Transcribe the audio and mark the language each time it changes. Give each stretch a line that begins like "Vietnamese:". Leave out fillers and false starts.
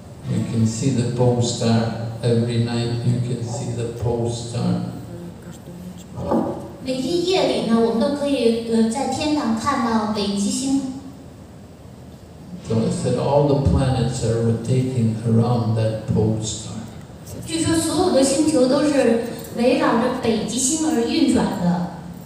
English: You can see the pole star every night. You can see the pole star.
Chinese: 每天夜里呢，我们都可以在天堂看到北极星。So
English: I said all the planets are rotating around that pole star.
Chinese: 据说所有的星球都是围绕着北极星而运转的。